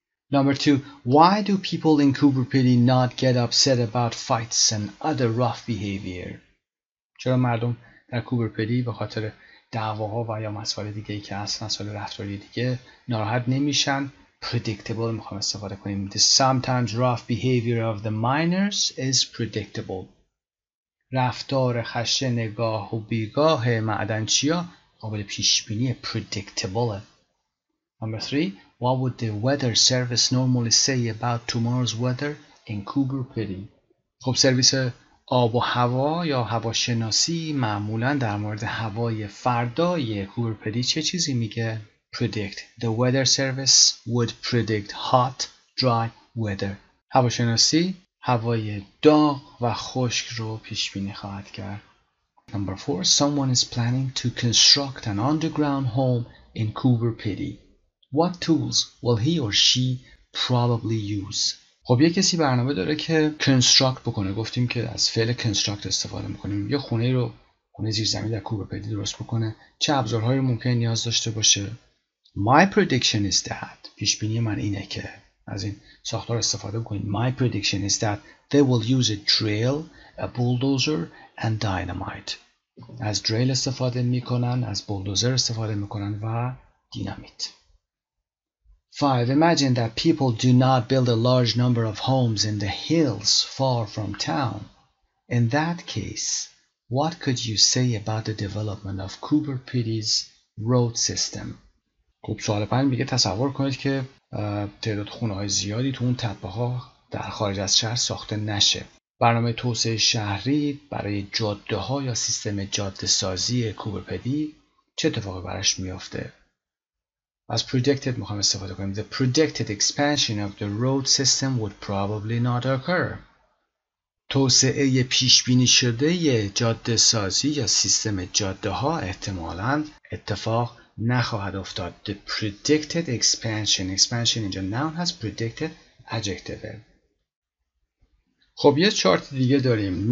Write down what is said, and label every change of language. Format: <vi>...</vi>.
<en>Number two, why do people in Cooper Pedy not get upset about fights and other rough behavior?</en> <fa>چرا مردم در کوبر پدی به خاطر دعواها و یا مسائل دیگه‌ای که اصلا سال رفتاری دیگه ناراحت نمیشن؟ Predictable میخوام استفاده کنیم.</fa> <en>The sometimes rough behavior of the miners is predictable.</en> <fa>رفتار خشن نگاه و بیگاه معدنچیا قابل پیشبینی، predictable.</fa> <en>Number three, what would the weather service normally say about tomorrow's weather in Cooper Pedy?</en> <fa>خب سرویس آب و هوا یا هواشناسی معمولاً در مورد هوای فردای Cooper Pedy چه چیزی میگه؟ Predict.</fa> <en>The weather service would predict hot, dry weather.</en> <fa>هواشناسی هوای داغ و خشک رو پیشبینی خواهد کرد.</fa> <en>Number four, someone is planning to construct an underground home in Cooper Pedy. What tools will he or she probably use?</en> <fa>خب یه کسی برنامه داره که construct بکنه. گفتیم که از فعل construct استفاده میکنیم. یه خونه رو، خونه زیر زمین در کوبر پدی درست بکنه. چه ابزارهایی ممکن نیاز داشته باشه؟</fa> <en>My prediction is that.</en> <fa>پیشبینی من اینه که از این ساختار استفاده بکنید.</fa> <en>My prediction is that they will use a drill, a bulldozer and dynamite.</en> <fa>از drill استفاده میکنن، از bulldozer استفاده میکنن و دینامیت.</fa> <en>5. Imagine that people do not build a large number of homes in the hills far from town. In that case, what could you say about the development of Cooper Pedy's road system?</en> <fa>خب سوال 5 میگه تصور کنید که تعداد خونه‌های زیادی تو اون تپه‌ها در خارج از شهر ساخته نشه. برنامه توسعه شهری برای جاده‌ها یا سیستم جاده‌سازی Cooper Pedy چه اتفاقی براش میافته؟</fa> <en>As predicted,</en> <fa>میخوام استفاده کنیم.</fa> <en>The predicted expansion of the road system would probably not occur.</en> <fa>توسعه پیشبینی شده جاده سازی یا سیستم جاده ها احتمالاً اتفاق نخواهد افتاد.</fa> <en>The predicted expansion. Expansion</en> <fa>اینجا noun هست.</fa> <en>Predicted adjective.</en> <fa>خب یه چارت دیگه داریم.</fa>